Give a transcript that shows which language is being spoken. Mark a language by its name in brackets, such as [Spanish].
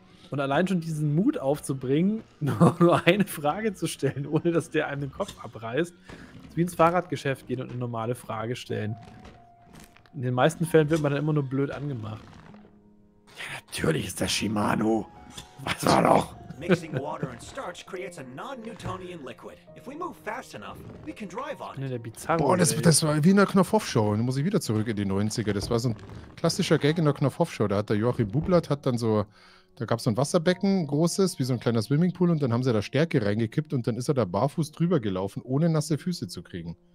[German] Und allein schon diesen Mut aufzubringen, nur eine Frage zu stellen, ohne dass der einem den Kopf abreißt, ist wie ins Fahrradgeschäft gehen und eine normale Frage stellen. In den meisten Fällen wird man dann immer nur blöd angemacht. Ja, natürlich ist das Shimano. Was war noch? [English] Mixing water and starch creates a non-Newtonian liquid. If we move fast enough, we can drive on. [German] In der bizarren Boah, das war wie in der Knopf-Off-Show. Da muss ich wieder zurück in die 90er. Das war so ein klassischer Gag in der Knopf-Off-Show. Da hat der Joachim Bublatt hat dann so. Da gab es so ein Wasserbecken, großes, wie so ein kleiner Swimmingpool und dann haben sie da Stärke reingekippt und dann ist er da barfuß drüber gelaufen, ohne nasse Füße zu kriegen.